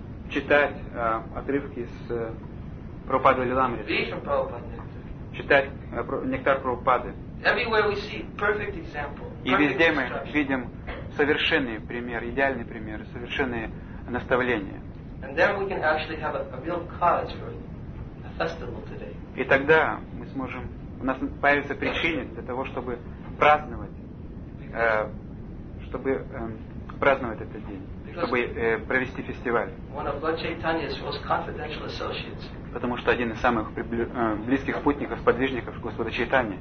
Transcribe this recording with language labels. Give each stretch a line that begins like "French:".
Russian: Читать отрывки из Прабхупады Лиламриты. Читать нектар Прабхупады. И везде мы видим совершенный пример, идеальный пример, совершенные наставления.
English: And then we can actually have a real cause for a festival today.
Russian: И тогда мы сможем, у нас появится причина для того, чтобы праздновать, чтобы праздновать этот день,
English: because
Russian: чтобы провести фестиваль.
English: One of Lord Chaitanya's most confidential associates.
Russian: Потому что один из самых близких спутников, подвижников Господа Чайтани.